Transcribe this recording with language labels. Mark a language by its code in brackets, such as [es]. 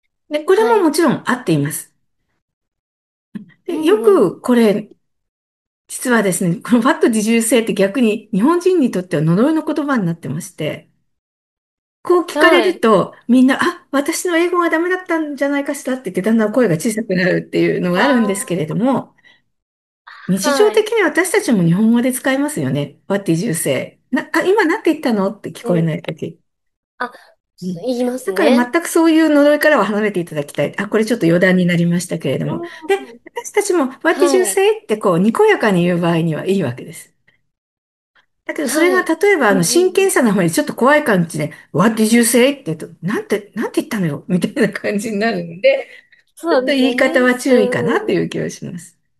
[ja] で、これももちろん合っています。で、よくこれ、実はですね、この [en] what did you say [ja] って逆に日本人にとっては呪いの言葉になってまして、こう聞かれると、みんな、あ、私の英語はダメだったんじゃないかしらって言って、だんだん声が小さくなるっていうのがあるんですけれども、日常的に私たちも日本語で使いますよね。 [en] What did you say? [ja] あ、今何て言ったの?って聞こえないとき。言いますだから全ね。くそういう呪いからは離れていただきたい。あ、これちょっと余談になりましたけれども。で、私たちも [en] What did you say? [ja] ってこう、にこやかに言う場合にはいいわけです。だけどそれが例えば真剣さの方にちょっと怖い感じで、 [en] What did you say? [ja] って言うと、なんて言ったのよ?みたいな感じになるので、ちょっと言い方は注意かなという気はします。